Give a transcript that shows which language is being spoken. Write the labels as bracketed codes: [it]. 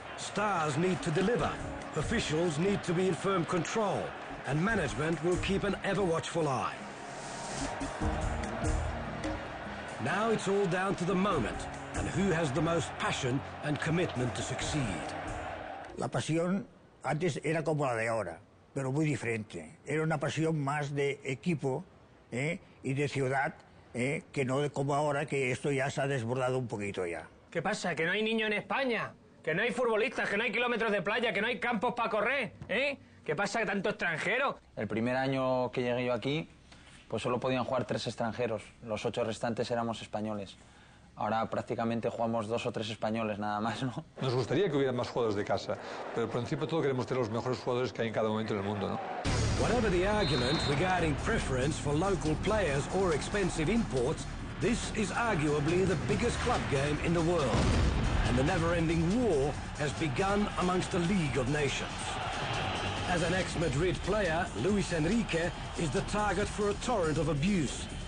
[en] Stars need to deliver, officials need to be in firm control, and management will keep an ever-watchful eye. Now it's all down to the moment, and who has the most passion and commitment to succeed. [es] La pasión antes era como la de ahora, pero muy diferente. Era una pasión más de equipo y de ciudad, que no como ahora, que esto ya se ha desbordado un poquito ya. ¿Qué pasa? ¿Que no hay niños en España? ¿Que no hay futbolistas? ¿Que no hay kilómetros de playa? ¿Que no hay campos para correr? ¿Qué pasa? ¿Que tanto extranjero? El primer año que llegué yo aquí, pues solo podían jugar 3 extranjeros. Los 8 restantes éramos españoles. Ahora prácticamente jugamos 2 o 3 españoles nada más, ¿no? Nos gustaría que hubiera más jugadores de casa, pero por encima de todo queremos tener los mejores jugadores que hay en cada momento en el mundo, ¿no? [en] Whatever the argument regarding preference for local players or expensive imports, this is arguably the biggest club game in the world. And the never-ending war has begun amongst the League of Nations. As an ex-Madrid player, Luis Enrique is the target for a torrent of abuse.